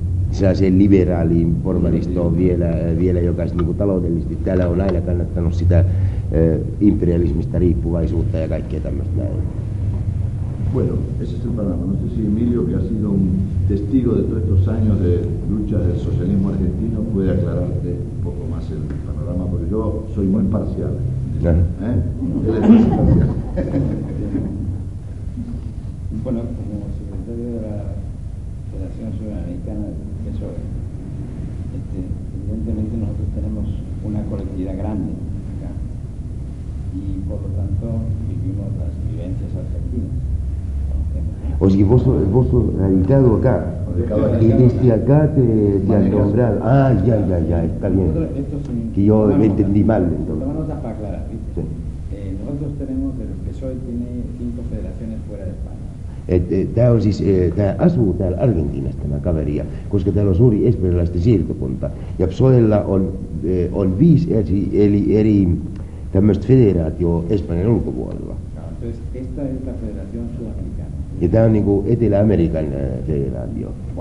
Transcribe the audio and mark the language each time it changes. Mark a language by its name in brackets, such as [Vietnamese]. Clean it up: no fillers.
[Finnish] Sellaiseen liberaaliin porvaristoon vielä jokaisen niin kuin taloudellisesti. Täällä on aina kannattanut sitä imperialismista riippuvaisuutta ja kaikkea tämmöistä näin. [Spanish] Bueno, ese es el panorama. No sé si Emilio, que ha sido un testigo de todos estos años de lucha del socialismo argentino, puede aclararte un poco más el panorama, porque yo soy muy parcial. Bueno, como secretario de la Federación Sudamericana de PSOE, evidentemente nosotros tenemos una colectividad grande acá y por lo tanto vivimos las vivencias argentinas. O sea, vos sos radicado acá, y desde acá te han nombrado. Ah, ya, está bien. Que yo me entendí mal, entonces. Vamos a aclarar, ¿viste? Nosotros tenemos, el PSOE tiene 5 federaciones fuera de España. [Finnish] Tämä on siis, tämä asuu täällä Argentiinassa tämä kaveri, koska täällä on suuri esperalaisten siirtokunta. Ja PSOElla on 5 eri tämmöistä federaatioa Espanjan ulkopuolella. [Spanish] Esta es la Federación Sudamericana. [Finnish] Ja tämä on niin kuin Etelä-Amerikan federaatio.